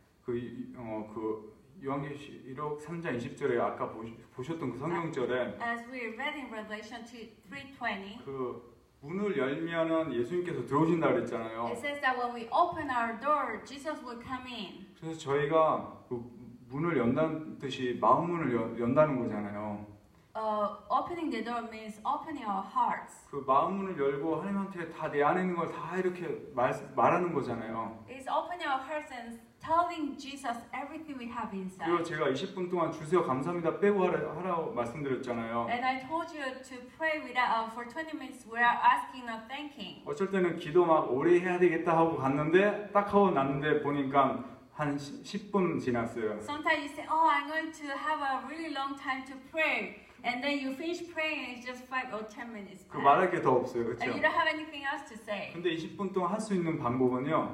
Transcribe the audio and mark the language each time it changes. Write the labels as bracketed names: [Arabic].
[Korean] 그 요한계시록 3장 20절에 아까 보셨던 그 성경절에 [English] as we read in Revelation 3:20 [Korean] 그 문을 열면은 예수님께서 들어오신다 그랬잖아요. [English] It says that when we open our door, Jesus will come in. [Korean] 그래서 저희가 그 문을 연다는 뜻이 마음 문을 연다는 거잖아요. [English] Opening the door means opening our hearts. [Korean] 그 마음 문을 열고 하나님한테 다 내 안에 있는 걸 다 이렇게 말하는 거잖아요. [English] It's opening our hearts and telling Jesus everything we have inside. [Korean] 그리고 제가 20분 동안 주세요 감사합니다 빼고 하라고 말씀드렸잖아요. [English] And I told you to pray without for 20 minutes without asking or thanking. [Korean] 어쩔 때는 기도 막 오래 해야 되겠다 하고 갔는데 딱 하고 났는데 보니까 한 10분 지났어요. [English] Sometimes you say, "Oh, I'm going to have a really long time to pray." And then you finish praying and it's just 5 or 10 minutes. [Korean] 그 말할 게 더 없어요. 그렇죠? [English] And you don't have anything else to say. [Korean] 근데 20분 동안 할 수 있는 방법은요.